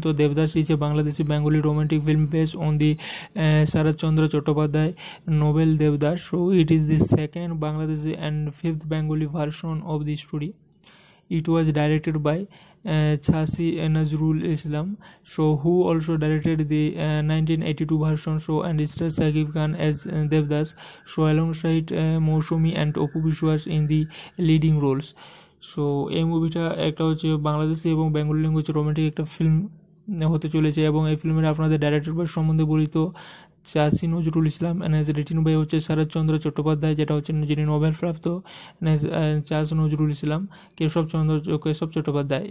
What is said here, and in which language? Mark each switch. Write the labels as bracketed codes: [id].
[en] তো Devdas is a Bangladeshi Bengali romantic film base on the Sharatchandra Chattopadhyay novel Devdas. So it is the second Bangladeshi and fifth Bengali version of the story. It was directed by Chashi Nazrul Islam, so who also directed the 1982 version. So and stars Shakib Khan as Devdas, so alongside Moushumi and Apu Biswas in the leading roles. [bn] So এই মুভিটা একটা হচ্ছে বাংলাদেশি এবং Bengali language romantic একটা film হতে চলেছে। এবং এই ফিল্মের আপনাদের ডাইরেক্টর বা সম্বন্ধে বলি, তো চাষি Nazrul Islam [en] এনএস written by [bn] হচ্ছে শরৎচন্দ্র চট্টোপাধ্যায়, যেটা হচ্ছে যিনি নোবেল প্রাপ্ত চাষি নজরুল ইসলাম, কেশব চট্টোপাধ্যায়।